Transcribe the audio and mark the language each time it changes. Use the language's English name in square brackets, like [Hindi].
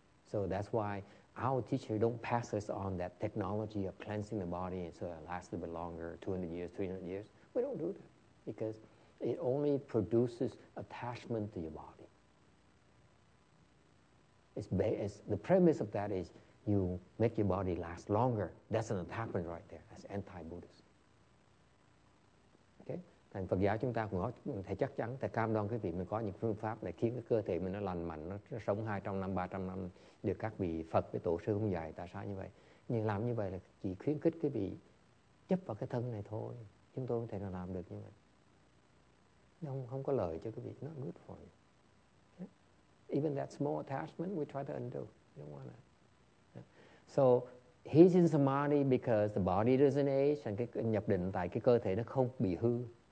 [English] So that's why our teacher don't pass us on that technology of cleansing the body and so it lasts a little bit longer, 200 years, 300 years. We don't do that because it only produces attachment to your body. The premise of that is you make your body last longer. That's an attachment right there. That's anti-Buddhist. Okay? [Vietnamese] Thành Phật giáo chúng ta cũng thể chắc chắn, thể cam đoan quý vị mình có những phương pháp để khiến cái cơ thể mình nó lành mạnh, nó sống 200 năm, 300 năm được các vị Phật với tổ sư không dạy tại sao như vậy. Nhưng làm như vậy là chỉ khuyến khích quý vị chấp vào cái thân này thôi. Chúng tôi có thể nào làm được như vậy. Không có lợi cho quý vị, [English] not good for you. Okay? Even that small attachment we try to undo. You don't want that. So he's in samadhi because the body doesn't age and [Vietnamese] cái nhập định tại cái cơ thể nó không bị hư.